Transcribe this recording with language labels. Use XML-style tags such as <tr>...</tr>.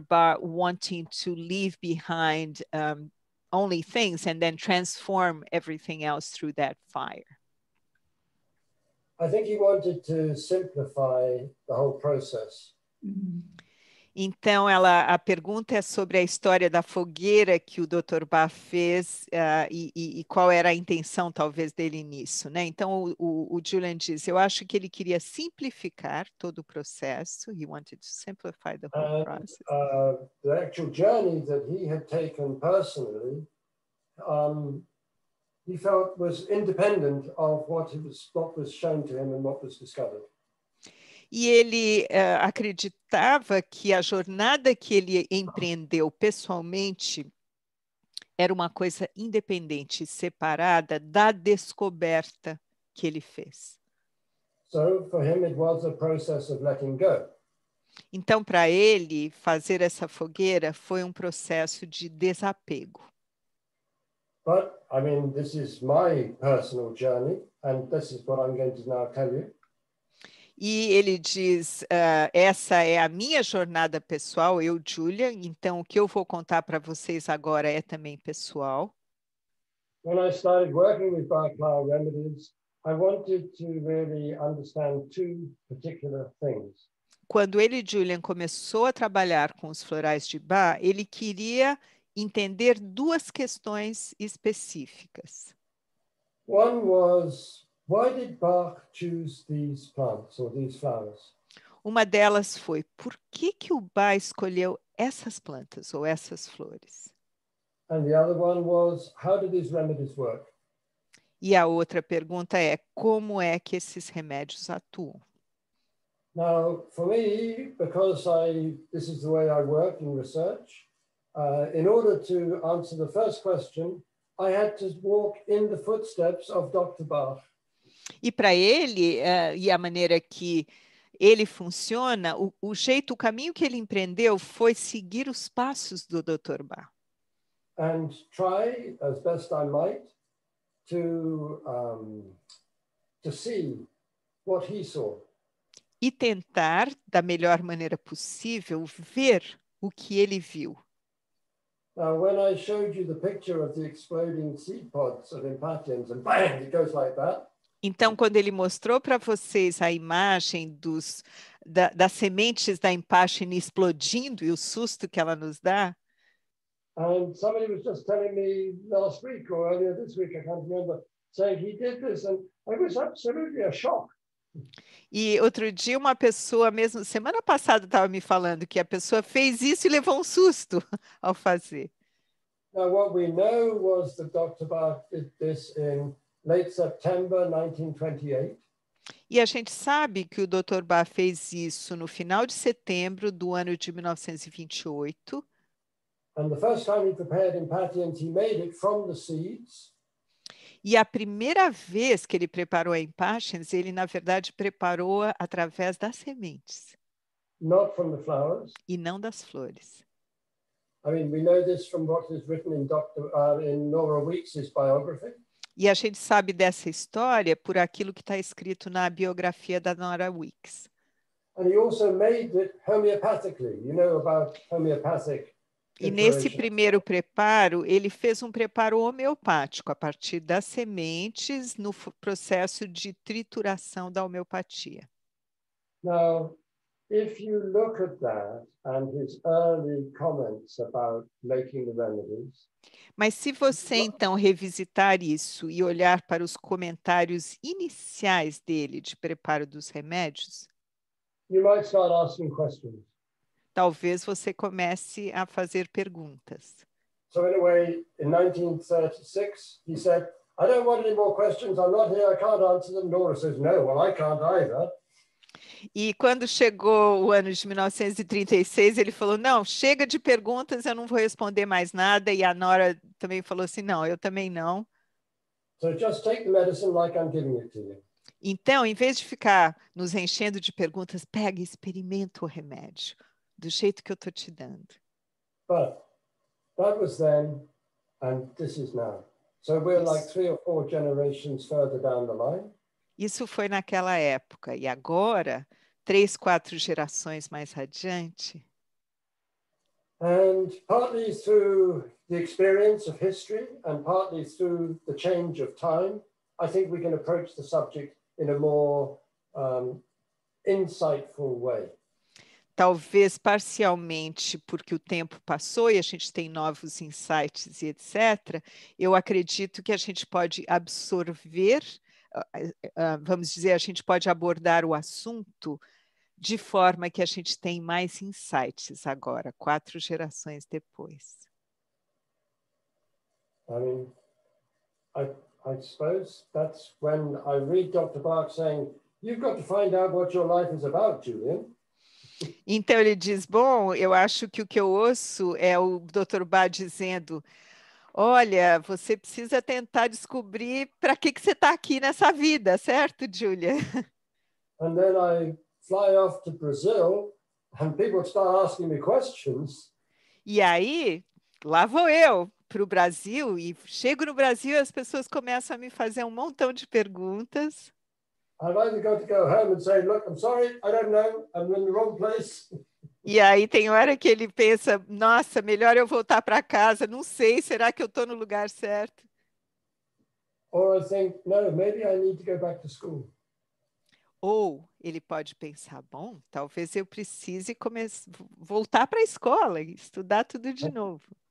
<en>Ba wanting to leave behind only things and then transform everything else through that fire? I think he wanted to simplify the whole process.</en> <pt>Então, a pergunta é sobre a história da fogueira que o Dr. Ba fez e qual era a intenção, talvez, dele nisso, né? Então, o Julian diz, eu acho que ele queria simplificar todo o processo.</pt> <en>He wanted to simplify the whole process. The actual journey that he had taken personally, he felt was independent of what was shown to him and what was discovered.</en> <pt>E ele acreditava que a jornada que ele empreendeu pessoalmente era uma coisa independente, separada da descoberta que ele fez.</pt> <en>So for him it was a process of letting go.</en> <pt>Então, para ele, fazer essa fogueira foi um processo de desapego.</pt> <en>But, I mean, this is my personal journey, and this is what I'm going to now tell you.</en> <pt>E ele diz, essa é a minha jornada pessoal, eu, Julia, então o que eu vou contar para vocês agora é também pessoal.</pt> <en>When I started working with Barclay Remedies, I wanted to really understand two particular things.</en> <pt>Quando ele, Julian, começou a trabalhar com os florais de Bach, ele queria entender duas questões específicas.</pt> <en>One was, why did Bach choose these plants or these flowers?</en> <pt>Uma delas foi, por que que o Bach escolheu essas plantas ou essas flores?</pt> <en>And the other one was, how do these remedies work?</en> <pt>E a outra pergunta é, como é que esses remédios atuam?</pt> <en>Now, for me, because this is the way I work in research, in order to answer the first question, I had to walk in the footsteps of Dr. Bach.</en> <pt>E para ele, e a maneira que ele funciona, o caminho que ele empreendeu foi seguir os passos do Dr. Bach.</pt> <en>And try, as best I might, to see what he saw.</en> <pt>E tentar, da melhor maneira possível, ver o que ele viu.</pt> <en>Now, when I showed you the picture of the exploding seed pods of impatiens, and bang, it goes like that.</en> <pt>Então, quando ele mostrou para vocês a imagem das sementes da impatiens explodindo e o susto que ela nos dá.</pt> <en>And somebody was just telling me last week or earlier this week, I can't remember, saying he did this, and it was absolutely a shock.</en> <pt>E outro dia uma pessoa, mesmo semana passada, estava me falando que a pessoa fez isso e levou um susto ao fazer.</pt> <en>Now, what we know was that Dr. Bach did this in late September 1928.</en> <pt>E a gente sabe que o Dr. Bach fez isso no final de setembro do ano de 1928.</pt> <en>And the first time he prepared impatiens, he made it from the seeds.</en> <pt>E a primeira vez que ele preparou a impatiens, ele, na verdade, preparou-a através das sementes.</pt> <en>Not from the flowers.</en> <pt>E não das flores.</pt> <en>I mean, we know this from what is written in Nora Weeks's biography.</en> <pt>E a gente sabe dessa história por aquilo que está escrito na biografia da Nora Weeks.</pt> <en>And he also made it homeopathically, you know about homeopathic.</en> <pt>E nesse primeiro preparo, ele fez um preparo homeopático a partir das sementes no processo de trituração da homeopatia.</pt> <en>Now, if you look at that and his early comments about making the remedies.</en> <pt>Mas se você então revisitar isso e olhar para os comentários iniciais dele de preparo dos remédios,</pt> <en>you might start asking questions.</en> <pt>Talvez você comece a fazer perguntas.</pt> <en>So in a way, in 1936, he said, I don't want any more questions, I'm not here, I can't answer them. Nora says, no, well, I can't either.</en> <pt>E quando chegou o ano de 1936, ele falou, não, chega de perguntas, eu não vou responder mais nada. E a Nora também falou assim, não, eu também não.</pt> <en>So just take the medicine like I'm giving it to you.</en> <pt>Então, em vez de ficar nos enchendo de perguntas, pega e experimenta o remédio. Do jeito que eu estou te dando.</pt> <en>But that was then, and this is now. So we're like three or four generations further down the line.</en> <pt>Isso foi naquela época. E agora, três, quatro gerações mais adiante.</pt> <en>And partly through the experience of history, and partly through the change of time, I think we can approach the subject in a more insightful way.</en> <pt>Talvez parcialmente porque o tempo passou e a gente tem novos insights e etc., eu acredito que a gente pode absorver, vamos dizer, a gente pode abordar o assunto de forma que a gente tem mais insights agora, quatro gerações depois.</pt> <en>I mean, I suppose that's when I read Dr. Bach saying, you've got to find out what your life is about, Julian.</en> <pt>Então ele diz, bom, eu acho que o que eu ouço é o Dr. Bach dizendo, olha, você precisa tentar descobrir para que você está aqui nessa vida, certo, Julia?</pt> <en>And then I fly off to Brazil and people start asking me questions.</en> <pt>E aí, lá vou eu para o Brasil e chego no Brasil e as pessoas começam a me fazer um montão de perguntas.</pt> <en>I've either got to go home and say, look, I'm sorry, I don't know, I'm in the wrong place.</en> <pt>E aí tem hora que ele pensa, nossa, melhor eu voltar para casa, não sei, será que eu estou no lugar certo?</pt> <en>Or I think, no, maybe I need to go back to school.</en> <pt>Ou ele pode pensar, bom, talvez eu precise voltar para a escola e estudar tudo de novo.</pt>